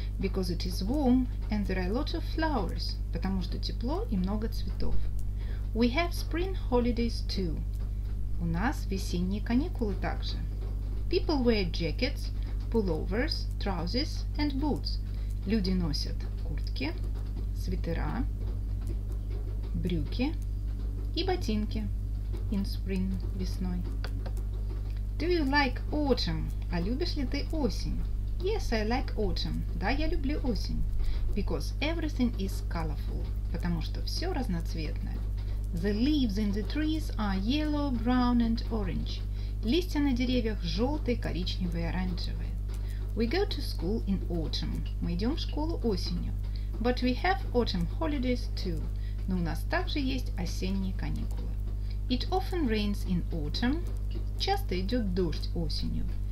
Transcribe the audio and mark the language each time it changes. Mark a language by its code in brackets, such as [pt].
[en] Because it is warm and there are lots of flowers. [ru] Потому что тепло и много цветов. [en] We have spring holidays too. [ru] У нас весенние каникулы также. [en] People wear jackets, pullovers, trousers and boots. [ru] Люди носят куртки, свитера, брюки и ботинки [en] in spring, [ru] весной. [en] Do you like autumn? [ru] А любишь ли ты осень? [en] Yes, I like autumn. [ru] Да, я люблю осень. [en] Because everything is colorful. [ru] Потому что все разноцветное. [en] The leaves in the trees are yellow, brown and orange. [ru] Листья на деревьях желтые, коричневые, оранжевые. [en] We go to school in autumn. [ru] Мы идем в школу осенью. [en] But we have autumn holidays too. [ru] Но у нас также есть осенние каникулы. [en] It often rains in autumn. [ru] Часто идет дождь осенью.